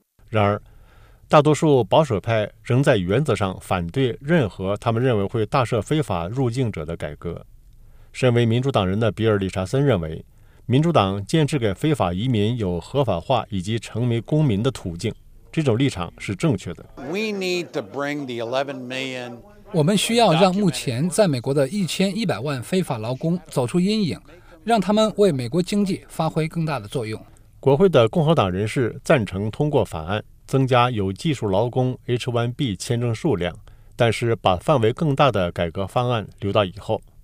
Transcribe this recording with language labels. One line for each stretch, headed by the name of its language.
Chinese: 然而，大多数保守派仍在原则上反对任何他们认为会大赦非法入境者的改革。身为民主党人的比尔·理查森认为，民主党坚持给非法移民有合法化以及成为公民的途径，这种立场是正确的。
English: We need to bring the 11 million...
Chinese: 我们需要让目前在美国的1100万非法劳工走出阴影，让他们为美国经济发挥更大的作用。国会的共和党人士赞成通过法案，增加有技术劳工 H-1B 签证数量，但是把范围更大的改革方案留到以后。